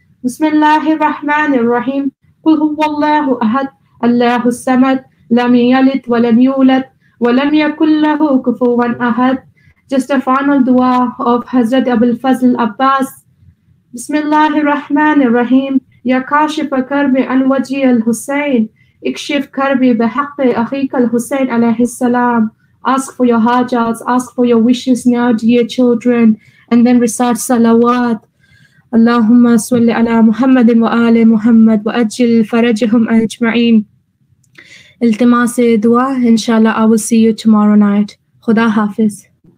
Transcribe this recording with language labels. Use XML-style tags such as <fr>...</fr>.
<ar>بسم الله الرحمن الرحيم قل هو الله أحد الله الصمد لم يلد ولم يولد ولم يكن له كفوا احد.</ar> <en>Just a final dua of Hazrat Abul Fazl Abbas.</en> <ar>بسم الله الرحمن الرحيم يا كاشف كربي عن وجه الحسين اكشف كربي بحق اخيك الحسين عليه السلام.</ar> <en>Ask for your hajjats, ask for your wishes now, dear children, and then recite salawat.</en> <ar>اللهم صل على محمد وآل محمد وأجل فرجهم أجمعين.</ar> <ur>التماس دعاء إن شاء الله.</ur> <en>I will see you tomorrow night.</en> <ur>خدا حافظ.</ur>